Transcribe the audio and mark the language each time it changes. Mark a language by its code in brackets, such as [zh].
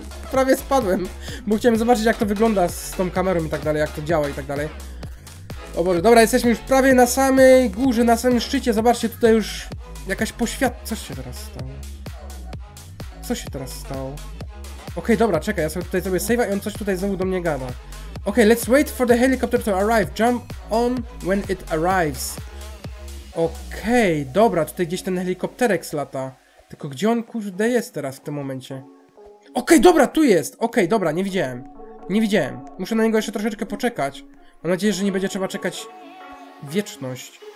[pl] prawie spadłem, bo chciałem zobaczyć, jak to wygląda z tą kamerą i tak dalej, jak to działa i tak dalej. O Boże, dobra, jesteśmy już prawie na samej górze, na samym szczycie. Zobaczcie, tutaj już jakaś poświat... Co się teraz stało? Co się teraz stało? Okej, dobra, czekaj, ja sobie tutaj zrobię save'a i on coś tutaj znowu do mnie gada. [en] Okej, let's wait for the helicopter to arrive. Jump on when it arrives. [pl] Okej, dobra, tutaj gdzieś ten helikopterek slata. Tylko gdzie on, kurde, jest teraz w tym momencie? Okej, dobra, tu jest. Okej, dobra, nie widziałem. Nie widziałem. Muszę na niego jeszcze troszeczkę poczekać. Mam nadzieję, że nie będzie trzeba czekać wieczność.